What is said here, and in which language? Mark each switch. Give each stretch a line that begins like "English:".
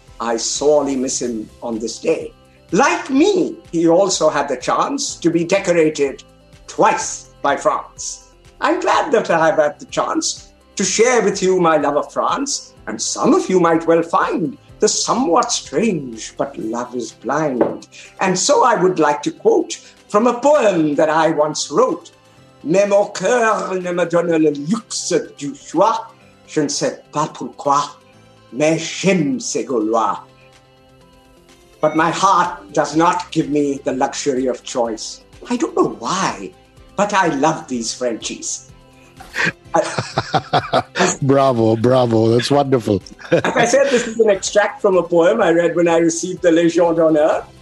English: I sorely miss him on this day. Like me, he also had the chance to be decorated twice by France. I'm glad that I have had the chance to share with you my love of France. And some of you might well find the somewhat strange, but love is blind. And so I would like to quote from a poem that I once wrote.
French: Mais mon cœur ne me donne le luxe du choix. Je ne sais pas pourquoi, mais j'aime ces Gaulois.
English: But my heart does not give me the luxury of choice. I don't know why, but I love these Frenchies. Bravo, bravo. That's wonderful. As I said, this is an extract from a poem I read when I received the Legion d'Honneur.